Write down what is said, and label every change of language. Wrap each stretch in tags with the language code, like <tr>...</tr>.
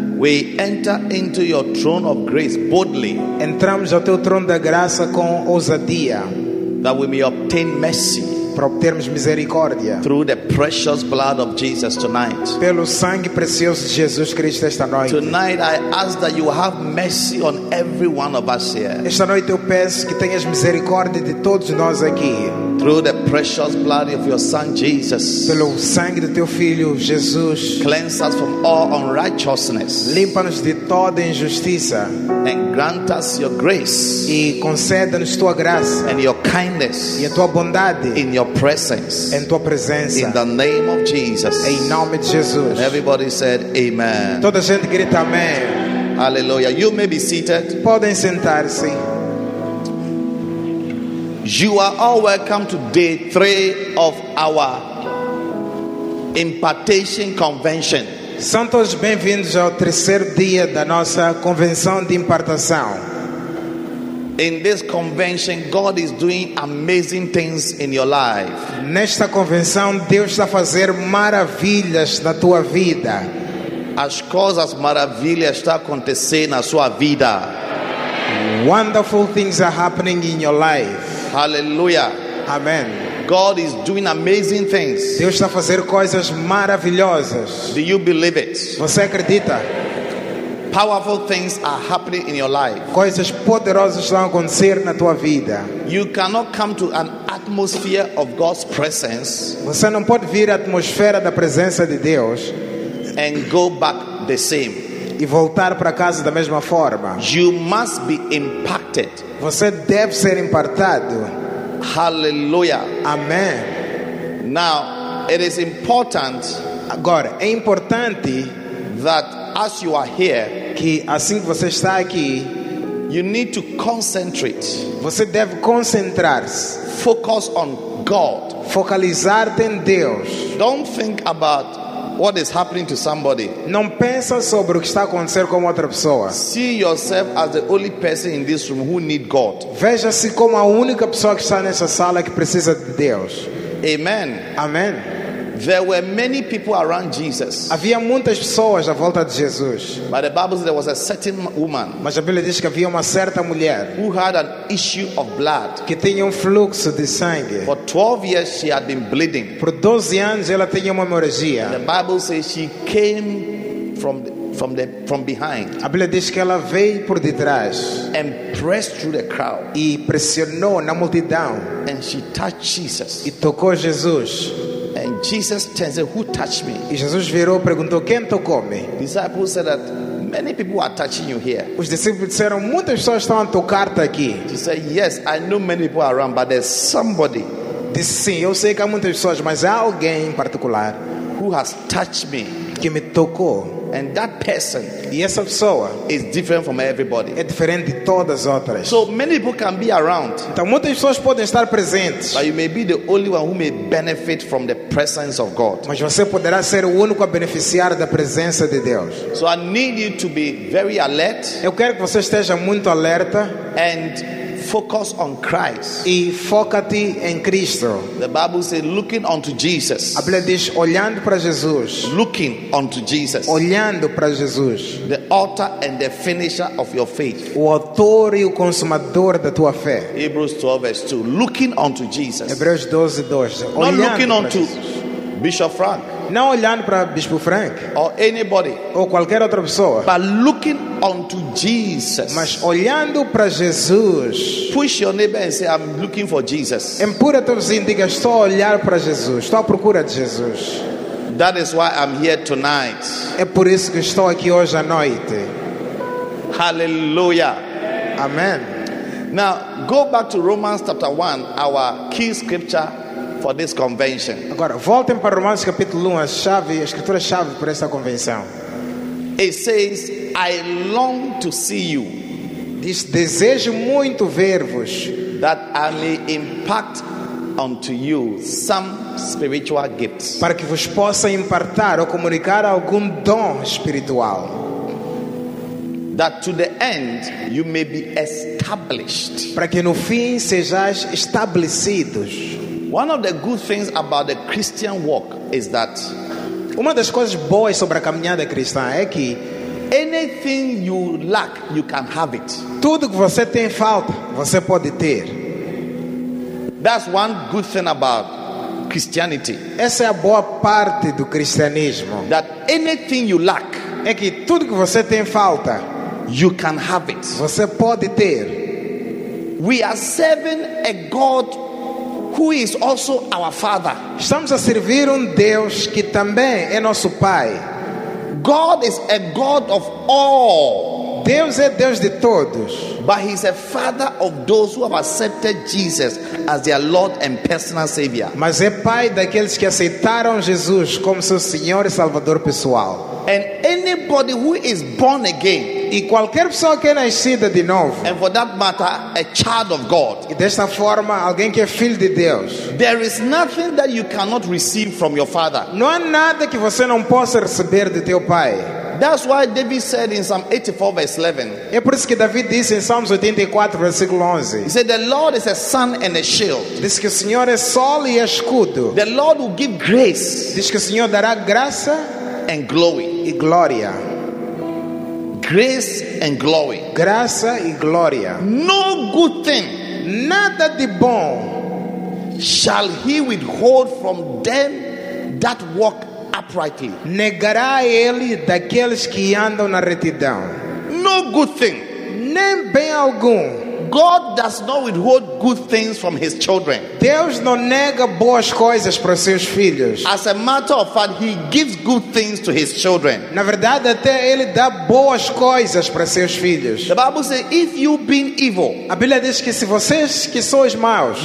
<en>We enter into your throne of grace boldly.</en> <pt>Entramos ao teu trono da graça com ousadia.</pt> <en>That we may obtain mercy.</en> <pt>Para obtermos misericórdia.</pt> <en>Through the precious blood of Jesus tonight.</en> <pt>Pelo sangue precioso de Jesus Cristo esta noite.</pt> <en>Tonight I ask that you have mercy on every one of us here.</en> <pt>Esta noite eu peço que tenhas misericórdia de todos nós aqui.</pt> <en>Through the precious blood of your son Jesus.</en> <pt>Pelo sangue do teu filho Jesus.</pt> <en>Cleanse us from all unrighteousness.</en> <pt>Limpa-nos de toda injustiça.</pt> <en>And grant us your grace.</en> <pt>E conceda-nos tua graça.</pt> <en>And your kindness.</en> <pt>E a tua bondade.</pt> <en>In your presence.</en> <pt>Em tua presença.</pt> <en>In the name of Jesus.</en> <pt>Em nome de Jesus.</pt> <en>And everybody said amen.</en> <pt>Toda gente grita amém.</pt> <en>Hallelujah. You may be seated.</en> <pt>Podem sentar-se.</pt> <en>You are all welcome to day 3 of our impartation convention.</en> <pt>São todos bem-vindos ao terceiro dia da nossa convenção de impartação.</pt> <en>In this convention, God is doing amazing things in your life.</en> <pt>Nesta convenção, Deus está a fazer maravilhas na tua vida. As coisas maravilhas estão acontecendo na sua vida.</pt> <en>Wonderful things are happening in your life. Hallelujah. Amen. God is doing amazing things.</en> <pt>Deus está a fazer coisas maravilhosas.</pt> <en>Do you believe it?</en> <pt>Você acredita?</pt> <en>Powerful things are happening in your life.</en> <pt>Coisas poderosas estão a acontecer na tua vida.</pt> <en>You cannot come to an atmosphere of God's presence.</en> <pt>Você não pode vir à atmosfera da presença de Deus</pt> <en>and go back the same.</en> <pt>E voltar para casa da mesma forma.</pt> <en>You must be impacted.</en> <pt>Você deve ser impartado.</pt> <en>Hallelujah. Amen. Now, it is important.</en> <pt>Agora é importante</pt> <en>that as you are here,</en> <pt>que assim que você está aqui,</pt> <en>you need to concentrate.</en> <pt>Você deve concentrar-se.</pt> <en>Focus on God.</en> <pt>Focalizar-te em Deus.</pt> <en>Don't think about what is happening to somebody.</en> <pt>Não pensa sobre o que está acontecendo com outra pessoa.</pt> <en>See yourself as the only person in this room who need God.</en> <pt>Veja-se como a única pessoa que está nessa sala que precisa de Deus.</pt> <en>Amen. Amen. There were many people around Jesus.</en> <pt>Havia muitas pessoas à volta de Jesus.</pt> <en>But the Bible says there was a certain woman.</en> <pt>Mas a Bíblia diz que havia uma certa mulher.</pt> <en>Who had an issue of blood.</en> <pt>Que tinha fluxo de sangue.</pt> <en>For 12 years she had been bleeding.</en> <pt>Por 12 anos ela tinha uma hemorragia.</pt> <en>The Bible says she came from behind.</en> <pt>A Bíblia diz que ela veio por detrás.</pt> <en>And pressed through the crowd.</en> <pt>E pressionou na multidão.</pt> <en>And she touched Jesus.</en> <pt>E tocou Jesus.</pt> <en>And Jesus turns and who touched me?</en> <pt>E Jesus virou e perguntou quem tocou me?</pt> <en>Disciples said that many people are touching you here.</en> <pt>Os discípulos disseram muitas pessoas estão a tocar-te aqui.</pt> <en>He said yes, I know many people are around, but there's somebody.</en> <pt>Disse sim, eu sei que há muitas pessoas, mas há alguém em particular</pt> <en>who has touched me.</en> <pt>Que me tocou.</pt> <en>And that person,</en> <pt>e essa pessoa,</pt> <en>is different from everybody.</en> <pt>É diferente de todas as outras.</pt> <en>So many people can be around.</en> <pt>Então muitas pessoas podem estar presentes.</pt> <en>But you may be the only one who may benefit from the presence of God.</en> <pt>Mas você poderá ser o único a beneficiar da presença de Deus.</pt> <en>So I need you to be very alert.</en> <pt>Eu quero que você esteja muito alerta.</pt> <en>And focus on Christ.</en> <pt>E foca-te em Cristo.</pt> <en>The Bible says, looking unto Jesus.</en> <pt>A Bíblia diz, olhando para Jesus.</pt> <en>Looking unto Jesus.</en> <pt>Olhando para Jesus.</pt> <en>The author and the finisher of your faith.</en> <pt>O autor e o consumador da tua fé.</pt> <en>Hebrews 12 verse 2. Looking unto Jesus.</en> <pt>Hebreus 12, 2.</pt> <en>Not looking unto Bishop Frank.</en> <pt>Não olhando para Bispo Frank.</pt> <en>Or anybody.</en> <pt>Ou qualquer outra pessoa.</pt> <en>But looking unto Jesus.</en> <pt>Mas olhando para Jesus.</pt> <en>Push your neighbor and say, I'm looking for Jesus.</en> <pt>Empurra teu vizinho e diga, estou a olhar para Jesus. Estou à procura de Jesus.</pt> <en>That is why I'm here tonight.</en> <pt>É por isso que estou aqui hoje à noite.</pt> <en>Hallelujah. Amen. Now, go back to Romans chapter 1, our key scripture. For this convention.</en> <pt>Agora, voltem para Romanos capítulo 1, a escritura chave para esta convenção.</pt> <en>It says, I long to see you.</en> <pt>Diz, desejo muito ver-vos.</pt> <en>That I may impart unto you some spiritual gifts.</en> <pt>Para que vos possa impartar ou comunicar algum dom espiritual.</pt> <en>that to the end you may be established.</en> <pt>Para que no fim sejais estabelecidos.</pt> <en>One of the good things about the Christian walk is that</en> <pt>uma das coisas boas sobre a caminhada cristã é que</pt> <en>anything you lack, you can have it.</en> <pt>Tudo que você tem falta, você pode ter.</pt> <en>That's one good thing about Christianity.</en> <pt>Essa é a boa parte do cristianismo.</pt> <en>That anything you lack,</en> <pt>é que tudo que você tem falta,</pt> <en>you can have it.</en> <pt>Você pode ter.</pt> <en>We are serving a God who is also our Father.</en> <pt>Estamos a servir Deus que também é nosso Pai.</pt> <en>God is a God of all.</en> <pt>Deus é Deus de todos.</pt> <en>But he's a father of those who have accepted Jesus as their Lord and personal Savior.</en> <pt>Mas é pai daqueles que aceitaram Jesus como seu Senhor e Salvador pessoal.</pt> <en>And anybody who is born again,</en> <pt>e qualquer pessoa que é nascida de novo,</pt> <en>and for that matter, a child of God,</en> <pt>e desta forma, alguém que é filho de Deus,</pt> <en>there is nothing that you cannot receive from your father.</en> <pt>Não há nada que você não possa receber de teu pai.</pt> <en>That's why David said in Psalm 84 verse 11.</en> <pt>É por isso que David disse em Salmos 84 versículo 11.</pt> <en>He said the Lord is a sun and a shield.</en> <pt>Diz que o Senhor é sol e escudo.</pt> <en>The Lord will give grace.</en> <pt>Diz que o Senhor dará graça</pt> <en>and glory.</en> <pt>E glória.</pt> <en>Grace and glory.</en> <pt>Graça e glória.</pt> <en>No good thing,</en> <pt>nada de bom,</pt> <en>shall he withhold from them that walk uprightly.</en> <pt>Negará ele daqueles que andam na retidão.</pt> <en>No good thing,</en> <pt>nem bem algum.</pt> <en>God does not withhold good things from his children.</en> <pt>Deus não nega boas coisas para seus filhos.</pt> <en>As a matter of fact, he gives good things to his children.</en> <pt>Na verdade, até ele dá boas coisas para seus filhos.</pt> <en>The Bible says, if you been evil,</en> <pt>a Bíblia diz que se vocês que sois maus,</pt>